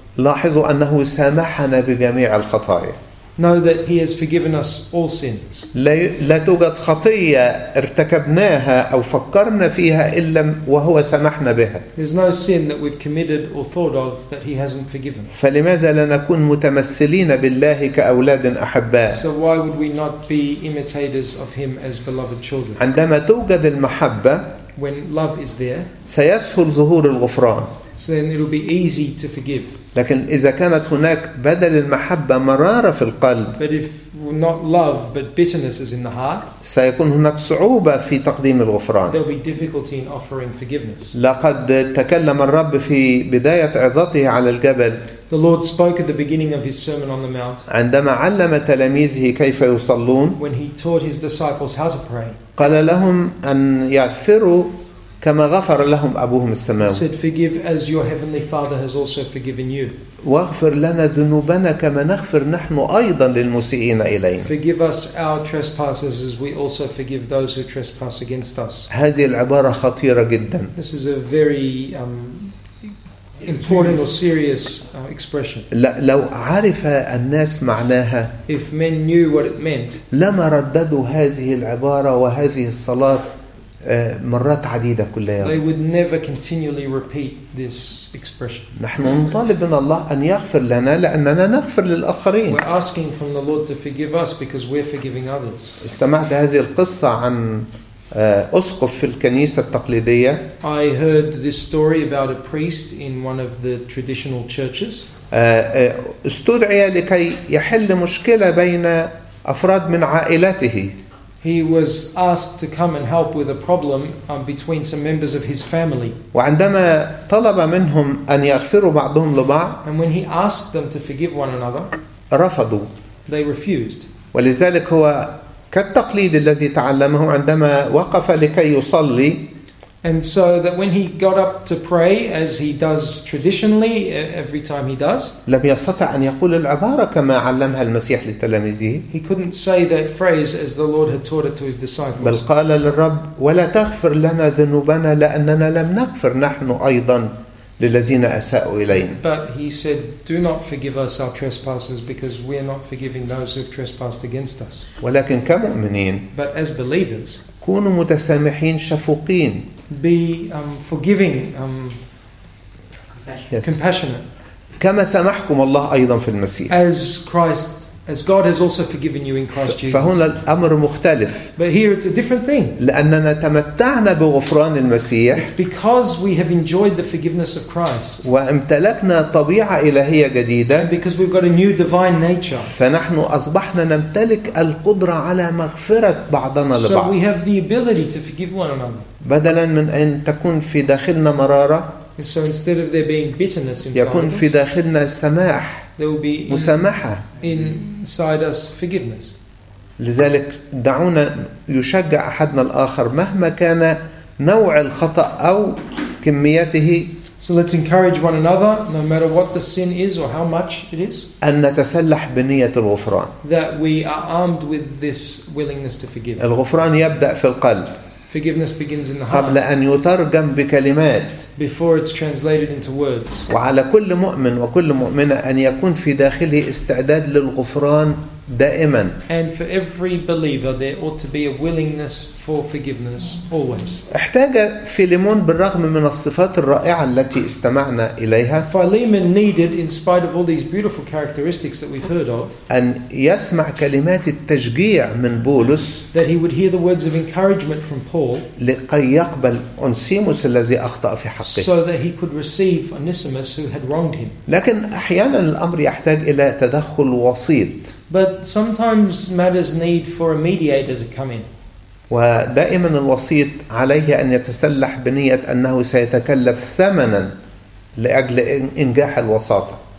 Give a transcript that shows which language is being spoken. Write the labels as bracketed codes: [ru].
[ar] لاحظوا أنه سامحنا بجميع الخطايا [en] Know that He has forgiven us all sins. [ar] لا توجد خطية ارتكبناها أو فكرنا فيها إلا وهو سمحنا بها. [en] There's no sin that we've committed or thought of that He hasn't forgiven. [ar] فلماذا لا نكون متمثلين بالله كأولاد أحباء؟ [en] So why would we not be imitators of Him as beloved children? [ar] عندما توجد المحبة، [en] when love is there، [ar] سيسهل ظهور الغفران. [en] So then it'll be easy to forgive. [ar] لكن إذا كانت هناك بدل المحبة مرارة في القلب [en] but if not love, but bitterness is in the heart, [ar] سيكون هناك صعوبة في تقديم الغفران [en] there'll be difficulty in offering forgiveness. [ar] لقد تكلم الرب في بداية عظته على الجبل [en] The Lord spoke at the beginning of His Sermon on the Mount. [ar] عندما علم تلاميذه كيف يصلون. [en] When He taught His disciples how to pray. [ar] قال لهم أن يغفروا كما غفر لهم أبوهم السماوي. [en] He said, "Forgive as your heavenly Father has also forgiven you." [ar] واغفر لنا ذنوبنا كما نغفر نحن أيضا للمسيئين إلينا. [en] Forgive us our trespasses as we also forgive those who trespass against us. [ar] هذه العبارة خطيرة جدا. [en] This is a very important or serious expression. [ar] لو عرف الناس معناها. [en] If men knew what it meant. [ar] لما رددوا هذه العبارة وهذه الصلاة مرات عديدة كل يوم. [en] They would never continually repeat this expression. [ar] نحن نطالب من الله أن يغفر لنا لأننا نغفر للآخرين. [en] We're asking from the Lord to forgive us because we're forgiving others. [ar] استمعت هذه القصة عن أسقف في الكنيسة التقليدية. [en] I heard this story about a priest in one of the traditional churches. [ar] استدعي لكي يحل مشكلة بين أفراد من عائلته. [en] He was asked to come and help with a problem between some members of his family. [ar] وعندما طلب منهم أن يغفروا بعضهم لبعض. [en] And when he asked them to forgive one another. [ar] رفضوا. [en] They refused. [ar] ولذلك هو كالتقليد الذي تعلمه عندما وقف لكي يصلي. [en] And so that when he got up to pray, as he does traditionally every time he does, [ar] لم يستطع أن يقول العبارة كما علمها المسيح لتلاميذه. [en] He couldn't say that phrase as the Lord had taught it to his disciples. [ar] بل قال للرب ولا تغفر لنا ذنوبنا لأننا لم نغفر نحن أيضا للذين أساءوا إلينا. [en] But he said, "Do not forgive us our trespasses, because we are not forgiving those who have trespassed against us." [ar] ولكن كمؤمنين. [en] But as believers. [ar] كونوا متسامحين شفوقين. [en] Be forgiving, compassionate. [ar] كما سمحكم الله أيضا في المسيح. [en] As God has also forgiven you in Christ Jesus. [ar] فهنا الأمر مختلف. [en] But here it's a different thing. [ar] لأننا تمتعنا بغفران المسيح. [en] It's because we have enjoyed the forgiveness of Christ. [ar] وامتلكنا طبيعة إلهية جديدة. [en] And because we've got a new divine nature. [ar] فنحن أصبحنا نمتلك القدرة على مغفرة بعضنا [en] so [ar] لبعض. [en] So we have the ability to forgive one another. [ar] بدلا من أن تكون في داخلنا مرارة. [en] And so instead of there being bitterness inside. [ar] يكون في داخلنا سماح. [en] There will be inside us forgiveness. [ar] لذلك دعونا يشجع أحدنا الآخر مهما كان نوع الخطأ أو كميته. [en] So let's encourage one another, no matter what the sin is or how much it is. [ar] أن نتسلح بنية الغفران. [en] That we are armed with this willingness to forgive. [ar] الغفران يبدأ في القلب. [en] Forgiveness begins in the heart. [ar] قبل أن يترجم بكلمات. [en] Before it's translated into words. [ar] وعلى كل مؤمن وكل مؤمنة أن يكون في داخله استعداد للغفران دائما. [en] And for every believer, there ought to be a willingness for forgiveness always. [ar] احتاج فيليمون بالرغم من الصفات الرائعة التي استمعنا إليها. [en] Philemon needed, in spite of all these beautiful characteristics that we've heard of, [ar] أن يسمع كلمات التشجيع من بولس. [en] That he would hear the words of encouragement from Paul. [ar] لكي يقبل أنسيموس الذي أخطأ في حقه. [en] So that he could receive Onesimus who had wronged him. [ar] لكن أحيانا الأمر يحتاج إلى تدخل وسيط. [en] But sometimes matters need for a mediator to come in. [ar] ودائما الوسيط عليه أن يتسلح بنية أنه سيتكلف ثمنا لأجل إنجاح الوساطة.